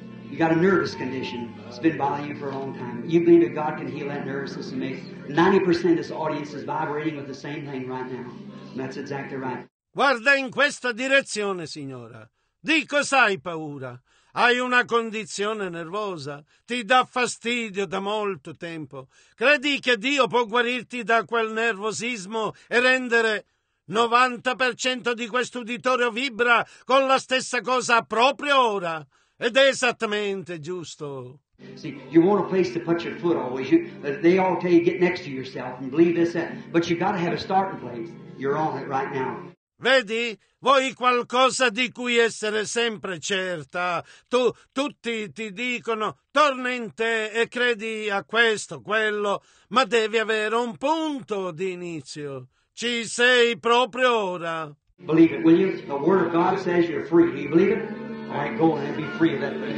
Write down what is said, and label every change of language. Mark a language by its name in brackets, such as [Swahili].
[English] You got a nervous condition. It's been bothering you for a long time. You believe that God can heal that nervousness and make 90% of this audience is vibrating with the same thing right now. And that's exactly right. [Italian] Guarda in questa direzione, signora. Di cosa hai paura? Hai una condizione nervosa? Ti dà fastidio da molto tempo? Credi che Dio può guarirti da quel nervosismo e rendere 90% di questo uditorio vibra con la stessa cosa proprio ora? Ed è esattamente giusto. [English] See, you want a place to put your foot always. They all tell you get next to yourself and believe this, that, but you got to have a starting place. You're on it right now. [Italian] Vedi? Vuoi qualcosa di cui essere sempre certa? Tutti ti dicono, torna in te e credi a questo, quello, ma devi avere un punto di inizio. Ci sei proprio ora. [English] Believe it, will you? The Word of God says you're free. Do you believe it? All right, go and be free of that.